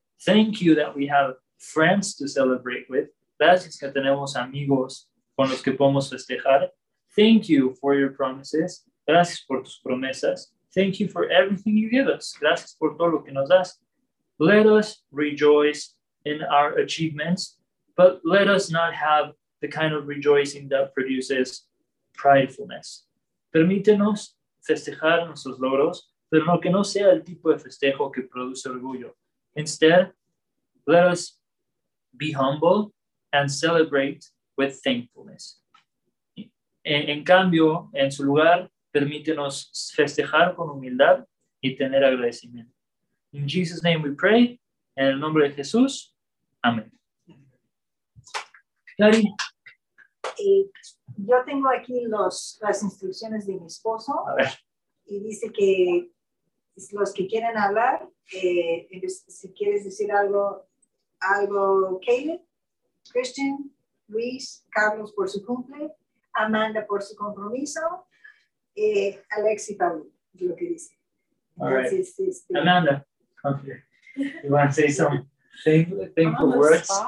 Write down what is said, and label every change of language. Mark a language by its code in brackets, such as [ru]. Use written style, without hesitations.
[en] Thank you that we have friends to celebrate with. [es] Gracias que tenemos amigos con los que podemos festejar. [en] Thank you for your promises. [es] Gracias por tus promesas. [en] Thank you for everything you give us. [es] Gracias por todo lo que nos das. [en] Let us rejoice in our achievements, but let us not have the kind of rejoicing that produces pridefulness. [es] Permítenos festejar nuestros logros, pero no que no sea el tipo de festejo que produce orgullo. [en] Instead, let us be humble and celebrate with thankfulness. [es] En cambio, en su lugar, permítenos festejar con humildad y tener agradecimiento. [en] In Jesus' name we pray. [es] En el nombre de Jesús. Amén. Cari. Yo tengo aquí las instrucciones de mi esposo. A ver. Y dice que los que quieren hablar, si quieres decir algo, Caleb, Christian, Luis, Carlos por su cumple, Amanda por su compromiso, Alex y Pablo, es lo que dice. [en] All right. Amanda, come here. You want to say some thankful words?